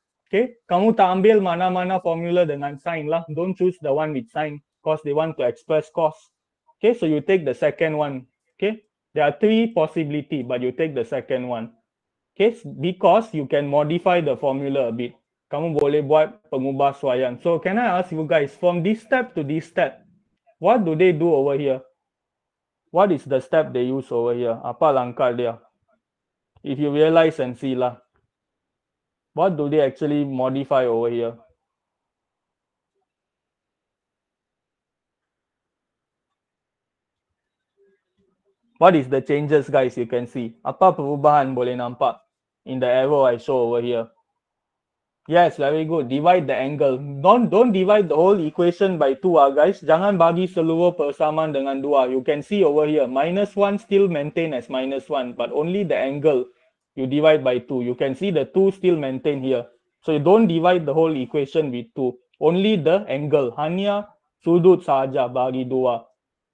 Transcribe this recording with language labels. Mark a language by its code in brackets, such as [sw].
[en] Okay, [ms] kamu tak ambil mana-mana formula dengan sign lah. [en] Don't choose the one with sign because they want to express cos. Okay, so you take the second one. Okay, there are three possibility, but you take the second one. Okay, because you can modify the formula a bit. [ms] Kamu boleh buat pengubah suaian. [en] So can I ask you guys, from this step to this step, what do they do over here? What is the step they use over here? [ms] Apa langkah dia? [en] If you realize and see lah. What do they actually modify over here? What is the changes, guys? You can see. [ms] Apa perubahan boleh nampak [en] in the arrow I show over here? Yes, very good. Divide the angle. Don't divide the whole equation by 2, guys. [ms] Jangan bagi seluruh persamaan dengan 2. [en] You can see over here, minus 1 still maintain as minus 1, but only the angle you divide by 2. You can see the 2 still maintain here. So you don't divide the whole equation with 2. Only the angle. [ms] Hanya sudut sahaja bagi 2.